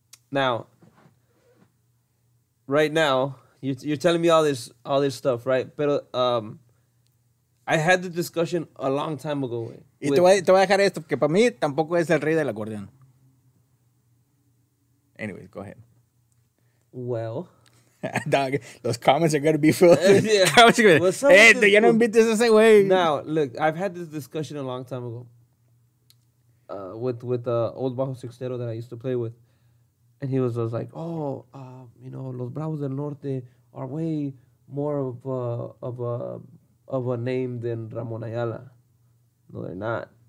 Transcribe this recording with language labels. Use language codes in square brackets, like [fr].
[en] Now, right now, you're telling me all this stuff, right? But I had the discussion a long time ago. [es] Y te voy a dejar esto, porque para mí tampoco es el rey del acordeón. [en] Anyway, go ahead. Well. Dog, those comments are going to be filled. Yeah. What's up? Hey, [es] ya no invites ese güey. [en] Now, look, I've had this discussion a long time ago with the old bajo sextero that I used to play with. And he was just like, oh, you know, Los Bravos del Norte are way more of a name than Ramón Ayala. No, they're not.